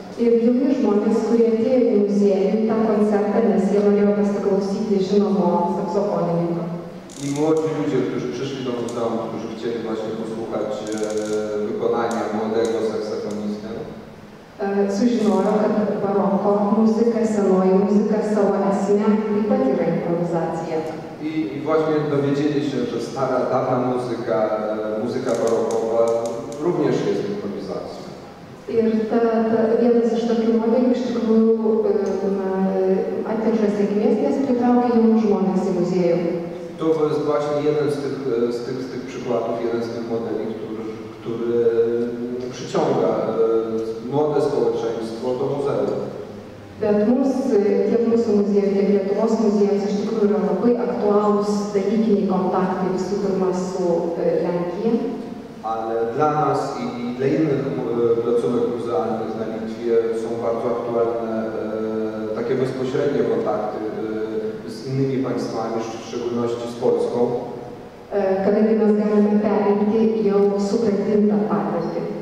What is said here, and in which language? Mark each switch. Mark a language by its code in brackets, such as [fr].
[lt] Ir jauni žmonės, kurie atėjo į muziejų tą koncertą, nes jie norėjo pasiklausyti žinomo saksofonininko. [pl] I młodzi ludzie, którzy przyszli do muzeum, którzy chcieli właśnie posłuchać wykonania młodego saksofonisty. [lt] Sužinojo, kad baroko muzyka, senoji muzyka, savo esmę taip pat yra improvizacija. [pl] I właśnie dowiedzieli się, że stara, dawna muzyka, muzyka barokowa również jest improwizacją. [lt] Ir vienas iš tokių modelių iš tikrųjų atvežė sėkmės, nes pritraukė jaunų žmonės į muziejų. [pl] To jest właśnie jeden z tych przykładów, jeden z tych modeli, który przyciąga młode społeczeństwo do muzeum. [lt] Bet mus, tiek mūsų muziejų, tiek Lietuvos muziejus, iš tikrųjų yra labai aktualūs dalykiniai kontaktai visų pirma su Lenkija. [pl] Ale dla nas i dla innych placówek muzealnych na Litwie są bardzo aktualne takie bezpośrednie kontakty z innymi państwami, w szczególności z Polską. Kiedy nas możemy przejąć ją sukcesywnie na Polskę?